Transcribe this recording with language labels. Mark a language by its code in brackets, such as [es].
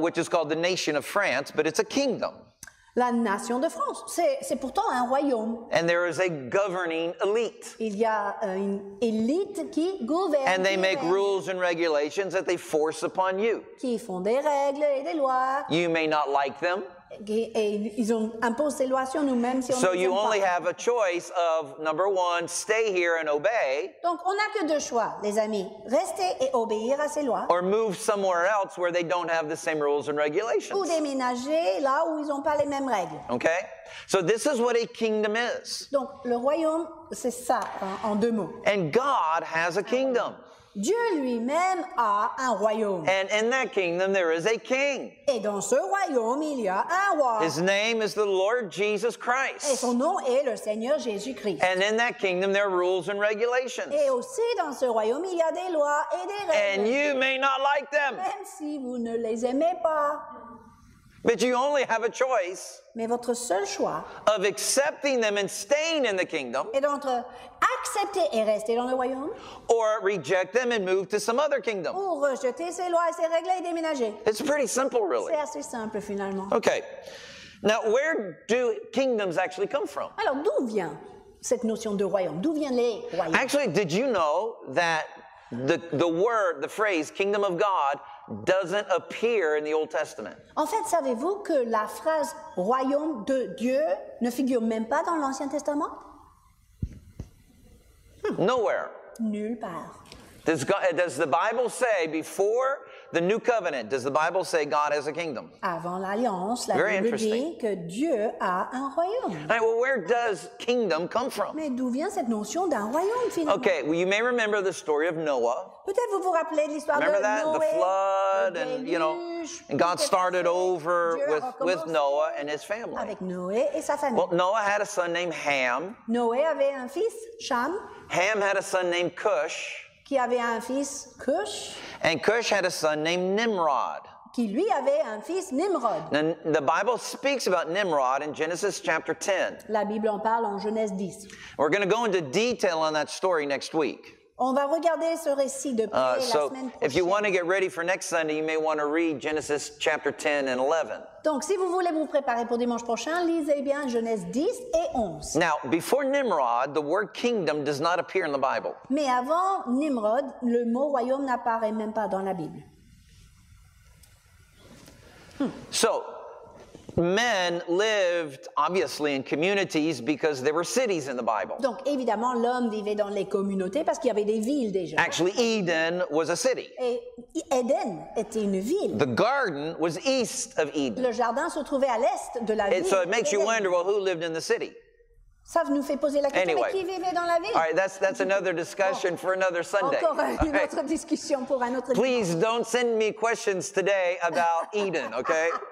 [en] Which is called the nation of France, but it's a kingdom. [fr] La nation de France, c'est pourtant un royaume. [en] And there is a governing elite. [fr] Il y a une élite qui gouverne. [en] And they make rules and regulations that they force upon you. [fr] Qui font des règles et des lois. [en] You may not like them. [fr] Et ils ont imposé ces lois sur nous, même si on ne les aime pas. [en] You only have a choice of, number one, stay here and obey. [fr] Donc on n'a que deux choix, les amis, rester et obéir à ces lois. [en] Or move somewhere else where they don't have the same rules and regulations. [fr] Ou déménager là où ils n'ont pas les mêmes règles. [en] Okay? So this is what a kingdom is. [fr] Donc le royaume, c'est ça, en deux mots. [en] And God has a kingdom. [fr] Dieu lui-même a un royaume. [en] And in that kingdom there is a king. [fr] Et dans ce royaume, il y a un roi. [en] His name is the Lord Jesus Christ. [fr] Et son nom est le Seigneur Jésus-Christ. [en] And in that kingdom there are rules and regulations. [fr] Et aussi dans ce royaume, il y a des lois et des règles. [en] And you may not like them. [fr] Même si vous ne les aimez pas. [en] But you only have a choice. [fr] Mais votre seul choix [en] of accepting them and staying in the kingdom [fr] est d'entre accepter et rester dans le royaume [en] or reject them and move to some other kingdom. [fr] Ou rejeter ces lois et ces règles et déménager. [en] It's pretty simple, really. [fr] C'est assez simple, finalement. [en] Okay. Now, where do kingdoms actually come from? [fr] Alors, d'où vient cette notion de royaume? D'où viennent les royaumes? [en] Actually, did you know that the phrase kingdom of God doesn't appear in the Old Testament. [fr] En fait, savez-vous que la phrase royaume de Dieu ne figure même pas dans l'Ancien Testament? [en] Nowhere. [fr] Nulle part. [en] Does the Bible say before the new covenant, does the Bible say God has a kingdom? [fr] Avant l'alliance, la Bible dit que Dieu a un royaume. [en] All right, well, where does kingdom come from? [fr] Mais d'où vient cette notion d'un royaume finalement? [en] Okay, well, you may remember the story of Noah. [fr] Peut-être vous vous rappelez l'histoire [en] remember [fr] de [en] that? [fr] Noé. [en] The flood and you know, and God started over with Noah and his family. [fr] Avec Noé et sa famille. [en] Well, Noah had a son named Ham. [fr] Noé avait un fils, Cham. [en] Ham had a son named Cush. [fr] Qui avait un fils, Cush. [en] And Cush had a son named Nimrod. [fr] Qui lui avait un fils, Nimrod. [en] Now, the Bible speaks about Nimrod in Genesis chapter 10. [fr] La Bible en parle en Genèse 10. [en] We're going to go into detail on that story next week. [fr] On va regarder ce récit de près la semaine prochaine. [en] If you want to get ready for next Sunday, you may want to read Genesis chapter 10 and 11. [fr] Donc, si vous voulez vous préparer pour dimanche prochain, lisez bien Genèse 10 et 11. [en] Now, before Nimrod, the word kingdom does not appear in the Bible. [fr] Mais avant Nimrod, le mot royaume n'apparaît même pas dans la Bible. [en] So, men lived obviously in communities because there were cities in the Bible. [fr] Donc évidemment l'homme vivait dans les communautés parce qu'il y avait des villes déjà. [en] Actually, Eden was a city. [fr] Et Eden était une ville. [en] The garden was east of Eden. [fr] Le jardin se trouvait à l'est de la ville. [en] And so it makes you wonder, well, who lived in the city? [fr] Ça nous fait poser la question, [en] anyway, [fr] mais qui vivait dans la ville? [en] All right, that's another discussion for another Sunday. [fr] Encore une autre discussion pour un autre. [en] Please [fr] dimanche. [en] Don't send me questions today about Eden, okay?